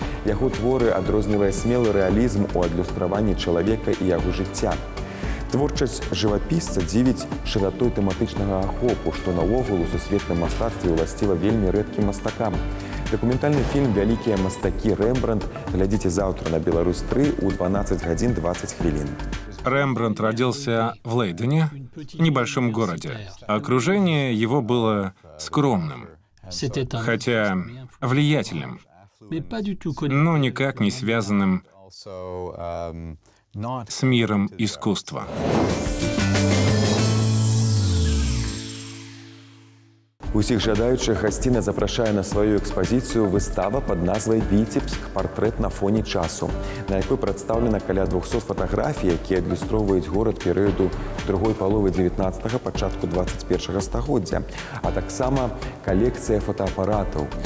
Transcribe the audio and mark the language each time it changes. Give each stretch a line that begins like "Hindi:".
Belarusian: Яго творы адрознівае смелы рэалізм у адлюстраванні чалавека і яго жыцця. Творчасць жывапісца дзівіць шыратой тэматычнага ахопу, што наогул у сусветным мастацтве ўласціва вельмі рэдкім мастакам. Дакументальны фільм «Вялікія мастакі» Рембрандт глядзіце заўтра на Беларусь 3 у 12 гадзін 20 хвілін.
Russian: Рембрандт родился в Лейдене, небольшом городе. Окружение его было скромным, хотя влиятельным, но никак не связанным с миром искусства.
Belarusian: Усіх жадаючых гасціна запрашае на сваю экспазіцыю выстава пад назвай «Віцебск. Партрэт на фоне часу», на якой прадстаўлена каля 200 фатаграфій, якія адлюстроўваюць горад перыяду другой паловы 19-га, пачатку 21-га стагоддзя, а таксама калекцыя фотаапаратаў.